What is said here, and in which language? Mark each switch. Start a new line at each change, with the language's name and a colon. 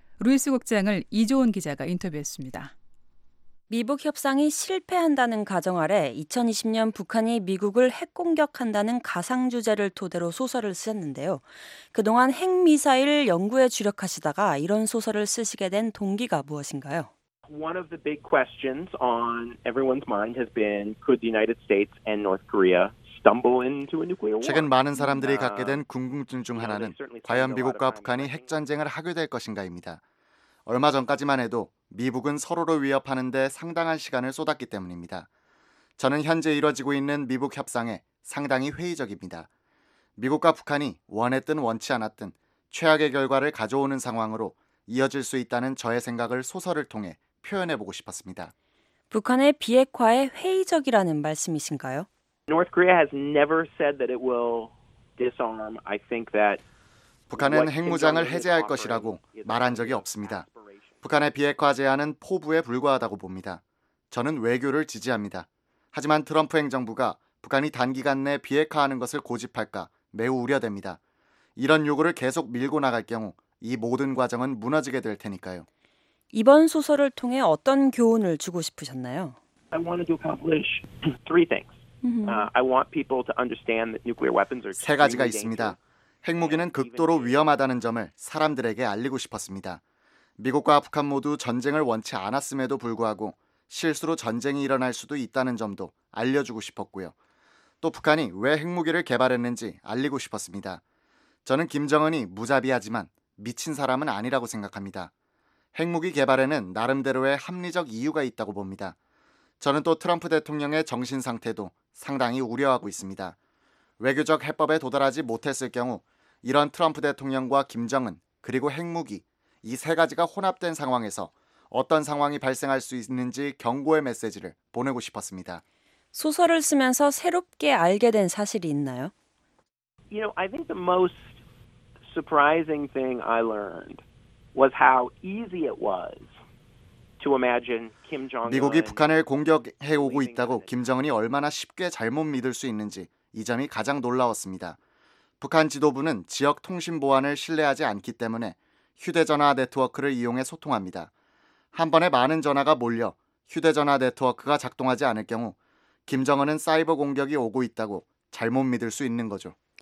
Korean: 루이스 국장을 이조은 기자가 인터뷰했습니다. 미북 협상이 실패한다는 가정 아래 2020년 북한이 미국을 핵공격한다는 가상주제를 토대로 소설을 쓰셨는데요. 그동안 핵미사일 연구에 주력하시다가 이런 소설을 쓰시게 된 동기가 무엇인가요?
English: One of the big questions on everyone's mind has been, could the United States and North Korea
Korean: 최근 많은 사람들이 갖게 된 궁금증 중 하나는 과연 미국과 북한이 핵전쟁을 하게 될 것인가입니다. 얼마 전까지만 해도 미북은 서로를 위협하는 데 상당한 시간을 쏟았기 때문입니다. 저는 현재 이뤄지고 있는 미북 협상에 상당히 회의적입니다. 미국과 북한이 원했든 원치 않았든 최악의 결과를 가져오는 상황으로 이어질 수 있다는 저의 생각을 소설을 통해 표현해보고 싶었습니다. 북한의 비핵화에 회의적이라는 말씀이신가요?
English: North Korea has never said that it will disarm. I think that
Korean: 북한은 핵무장을 해제할 것이라고 말한 적이 없습니다. 북한의 비핵화 제안은 포부에 불과하다고 봅니다. 저는 외교를 지지합니다. 하지만 트럼프 행정부가 북한이 단기간 내 비핵화하는 것을 고집할까 매우 우려됩니다. 이런 요구를 계속 밀고 나갈 경우 이 모든 과정은 무너지게 될 테니까요. 이번 소설을 통해 어떤 교훈을 주고 싶으셨나요?
English: I wanted to accomplish three things. I want people to understand that nuclear weapons are
Korean: 세 가지가 있습니다. 핵무기는 극도로 위험하다는 점을 사람들에게 알리고 싶었습니다. 미국과 북한 모두 전쟁을 원치 않았음에도 불구하고 실수로 전쟁이 일어날 수도 있다는 점도 알려주고 싶었고요. 또 북한이 왜 핵무기를 개발했는지 알리고 싶었습니다. 저는 김정은이 무자비하지만 미친 사람은 아니라고 생각합니다. 핵무기 개발에는 나름대로의 합리적 이유가 있다고 봅니다. 저는 또 트럼프 대통령의 정신 상태도 상당히 우려하고 있습니다. 외교적 해법에 도달하지 못했을 경우 이런 트럼프 대통령과 김정은 그리고 핵무기 이 세 가지가 혼합된 상황에서 어떤 상황이 발생할 수 있는지 경고의 메시지를 보내고 싶었습니다. 소설을 쓰면서 새롭게 알게 된 사실이 있나요?
English: You know, I think the most surprising thing I learned was how easy it was
Korean: 미국이 북한을 공격해오고 있다고 김정은이 얼마나 쉽게 잘못 믿을 수 있는지 이 점이 가장 놀라웠습니다. 북한 지도부는 지역 통신 보안을 신뢰하지 않기 때문에 휴대전화 네트워크를 이용해 소통합니다. 한 번에 많은 전화가 몰려 휴대전화 네트워크가 작동하지 않을 경우 김정은은 사이버 공격이 오고 있다고 잘못 믿을 수 있는 거죠.